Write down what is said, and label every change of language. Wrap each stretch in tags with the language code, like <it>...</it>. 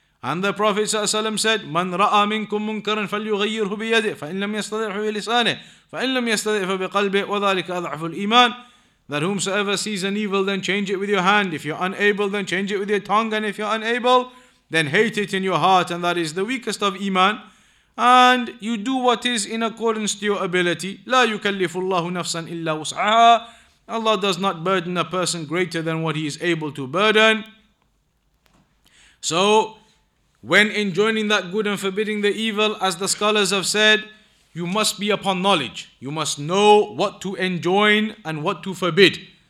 <en>And the Prophet ﷺ said,</en> <ar>مَنْ رَأَى مِنْكُمْ مُنْكَرًا فَلْيُغَيِّرْهُ بِيَدِهِ فَإِنْ لَمْ يَسْتَطِعْهُ بِلِسَانِهِ فَإِنْ لَمْ يَسْتَطِعْهُ بِقَلْبِهِ وَذَلِكَ أَضْعَفُ الْإِيمَانِ.</ar> <en>That whomsoever sees an evil, then change it with your hand. If you're unable, then change it with your tongue. And if you're unable, then hate it in your heart. And that is the weakest of iman. And you do what is in accordance to your ability.</en> <ar>لا يكلف الله نفسا إلا وسعها.</ar> <en>Allah does not burden a person greater than what he is able to burden. So, when enjoining that good and forbidding the evil, as the scholars have said, you must be upon knowledge. You must know what to enjoin and what to forbid.</en>